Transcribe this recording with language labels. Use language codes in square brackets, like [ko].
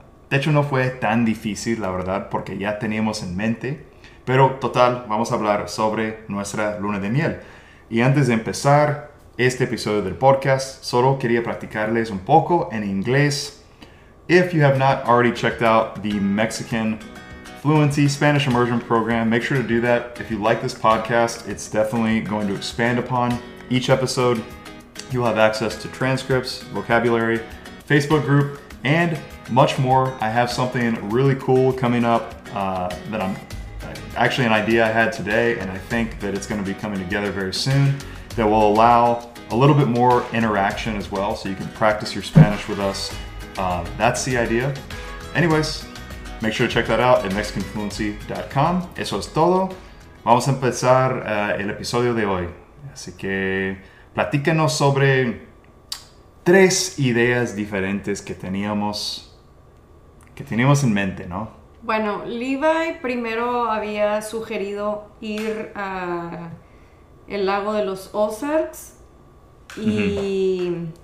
[es] De hecho no fue tan difícil, la verdad, porque ya teníamos en mente. Pero total, vamos a hablar sobre nuestra luna de miel. Y antes de empezar este episodio del podcast, solo quería practicarles un poco en inglés. [en] If you have not already checked out the Mexican Fluency Spanish Immersion Program, make sure to do that. If you like this podcast, it's definitely going to expand upon each episode. You'll have access to transcripts, vocabulary, Facebook group, and much more. I have something really cool coming up that I'm actually an idea I had today, and I think that it's going to be coming together very soon that will allow a little bit more interaction as well, so you can practice your Spanish with us. That's the idea. Anyways, make sure to check that out at mexicanfluency.com. [es] Eso es todo. Vamos a empezar el episodio de hoy. Así que platícanos sobre tres ideas diferentes que teníamos en mente, ¿no? Bueno, Levi primero había sugerido ir a el lago de los Ozarks y...